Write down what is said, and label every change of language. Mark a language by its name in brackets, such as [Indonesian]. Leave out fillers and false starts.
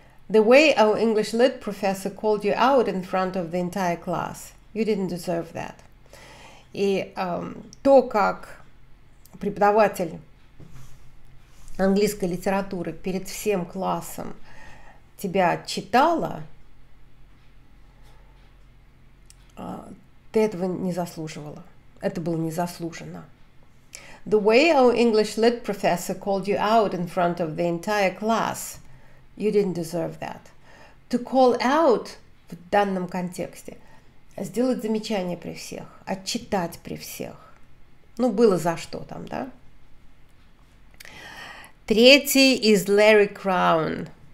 [English] The way our English lit professor called you out in front of the entire class, you didn't deserve that. [Russian] И то, как преподаватель английской литературы перед всем классом тебя читала, ты этого не заслуживала. Это было незаслуженно. [English] The way our English lit professor called you out in front of the entire class, you didn't deserve that. To call out [Russian] в данном контексте, сделать замечание при всех, отчитать при всех. Ну, было за что там, да? Третий из Larry Crown.